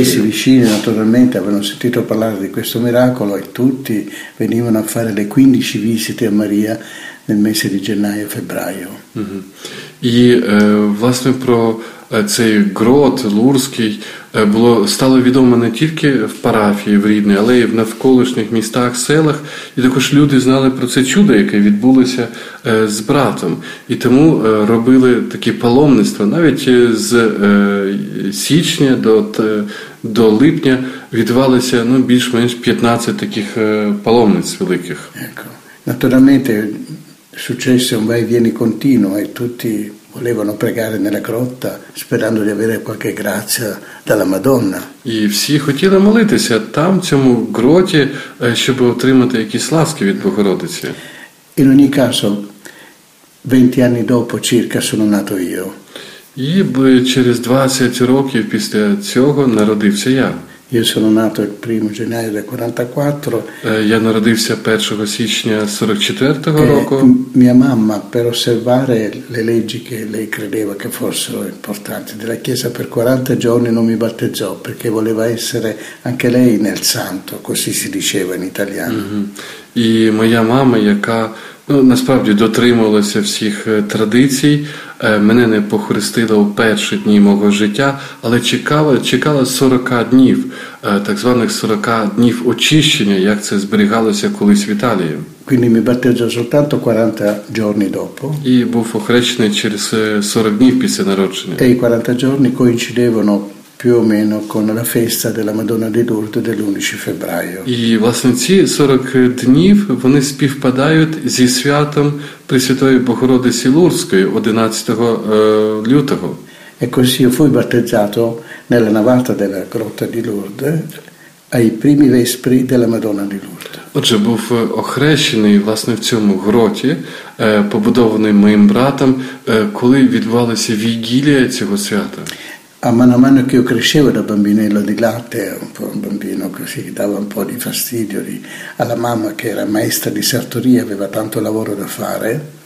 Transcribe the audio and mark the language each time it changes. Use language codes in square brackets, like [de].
[it] I paesi vicini, naturalmente, avevano sentito parlare di questo miracolo e tutti venivano a fare le 15 visite a Maria nel mese di gennaio e febbraio. [uk] І, власне, про цей грот Лурський стало відомо не тільки в парафії в рідній, але й в навколишніх містах, селах. І також люди знали про це чудо, яке відбулося з братом. І тому робили такі паломництва. Навіть з січня до липня відбувалося, ну, більш-менш 15 таких паломниць великих. [it] Натуральне successe un vai e vieni continuo e tutti volevano pregare nella grotta sperando di avere qualche grazia dalla Madonna. [uk] І всі хотіли молитися там, в цьому гроті, щоб отримати якісь ласки від Богородиці. [it] In ogni caso, 20 anni dopo circa sono nato io. [uk] І через 20 років після цього народився я. [it] Io sono nato il 1 gennaio del 44. [uk] Я народився 1 січня 44-го року. [it] Mia mamma, per osservare le leggi che lei credeva che fossero importanti della Chiesa, per 40 giorni non mi battezzò, perché voleva essere anche lei nel santo, così si diceva in italiano. [uk] І моя мама, яка, ну, насправді дотримувалася всіх традицій, мене не похрестила у перші дні мого життя, але чекала 40 днів, так званих 40 днів очищення, як це зберігалося колись в Італії. [it] Quindi mi battezzò soltanto 40 giorni dopo. [uk] І був охрещений через 40 днів після народження. [it] E i 40 giorni coincidevano più o meno con la festa della Madonna di Lourdes dell'11 febbraio. [uk] І, власне, ці 40 днів, вони співпадають зі святом Пресвятої Богородиці Лурдської 11 лютого. [it] E così io fui battezzato nella navata della grotta di Lourdes ai primi vespri della Madonna di Lourdes. [uk] Отже, був охрещений, власне, в цьому гроті, побудований моїм братом, коли відбувалася вігілія цього свята. [it] A mano a mano che io crescevo da bambinello di latte, un po' un bambino così, dava un po' di fastidio alla mamma che era maestra di sartoria, aveva tanto lavoro da fare.